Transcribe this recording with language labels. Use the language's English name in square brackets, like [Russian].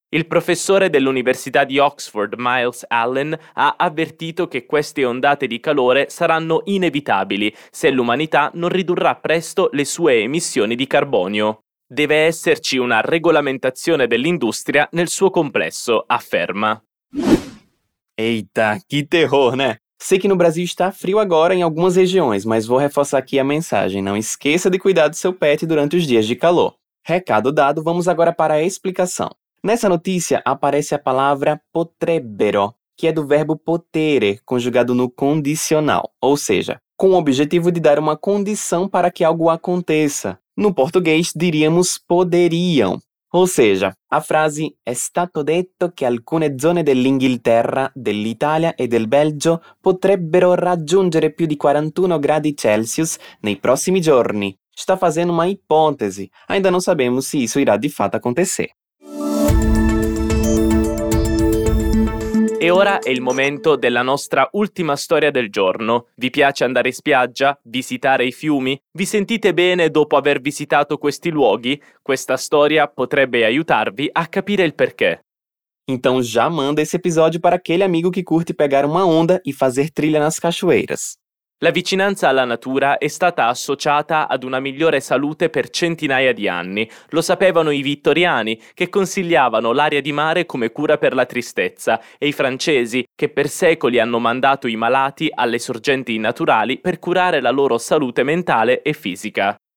[Italian] Il professore dell'Università di Oxford, Miles Allen, ha avvertito che queste ondate di calore saranno inevitabili se l'umanità non ridurrà presto le sue emissioni di carbonio. Deve esserci una regolamentazione dell'industria nel suo complesso, afferma. [Portuguese] Eita, che terror, né? Sei que no Brasil está frio agora em algumas regiões, mas vou reforçar aqui a mensagem. Não esqueça de cuidar do seu pet durante os dias de calor. Recado dado, vamos agora para a explicação. Nessa notícia aparece a palavra potrebbero, que é do verbo potere, conjugado no condicional, ou seja, com o objetivo de dar uma condição para que algo aconteça. No português, diríamos poderiam. Ou seja, a frase [Italian] è stato detto che alcune zone dell'Inghilterra, dell'Italia e del Belgio potrebbero raggiungere più di 41 gradi Celsius nei prossimi giorni. Sta facendo una ipotesi. [Portuguese] Ainda [Italian] non sappiamo se [Portuguese] isso [Italian] irà di fatto [Portuguese] acontecer. [Italian] E ora è il momento della nostra ultima storia del giorno. Vi piace andare in spiaggia? Visitare i fiumi? Vi sentite bene dopo aver visitato questi luoghi? Questa storia potrebbe aiutarvi a capire il perché. [Portuguese] Então já manda esse episódio para aquele amigo que curte pegar uma onda e fazer trilha nas cachoeiras. [Italian] La vicinanza alla natura è stata associata ad una migliore salute per centinaia di anni. Lo sapevano i vittoriani, che consigliavano l'aria di mare come cura per la tristezza, e i francesi, che per secoli hanno mandato i malati alle sorgenti naturali per curare la loro salute mentale e fisica.